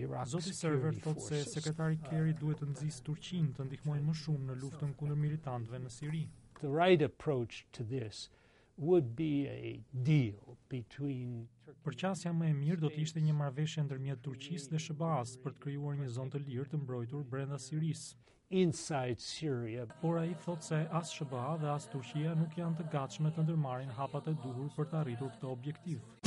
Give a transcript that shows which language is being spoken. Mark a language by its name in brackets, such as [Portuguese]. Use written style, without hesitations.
[Albanian] Zoti Server thot se sekretari Kerry duhet të nxjisë Turqinë të ndihmojë më shumë në luftën kundër militantëve në Siri. [English] The right approach to this would be a deal between Turkey. [Albanian] Përqasja më e mirë do të ishte një marrëveshje ndërmjet Turqisë dhe SBA-s për të krijuar një zonë të lirë të mbrojtur brenda Sirisë. [English] Inside Syria. [Albanian] Por ai thot se as SBA dhe as Turqia nuk janë të gatshme të ndërmarrin hapat e duhur për të arritur këtë objektiv.